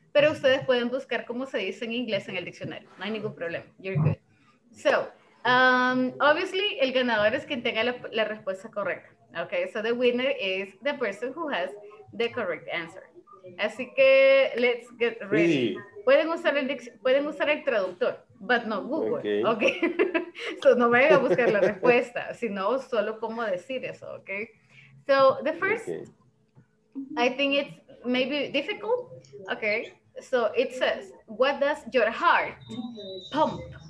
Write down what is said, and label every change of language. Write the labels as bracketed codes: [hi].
[es] Pero ustedes pueden buscar cómo se dice en inglés en el diccionario. No hay ningún problema. [en] You're good. [es] So, obviously, el ganador es quien tenga la respuesta correcta. [en] Okay, so the winner is the person who has the correct answer. [es] Así que, [en] let's get ready. [es] Sí. Pueden usar el traductor, [en] but not Google. [es] Okay. So, no vayan a buscar la respuesta, sino solo cómo decir eso, okay? [en] So, the first, okay. I think it's maybe difficult. Okay, so it says, what does your heart pump?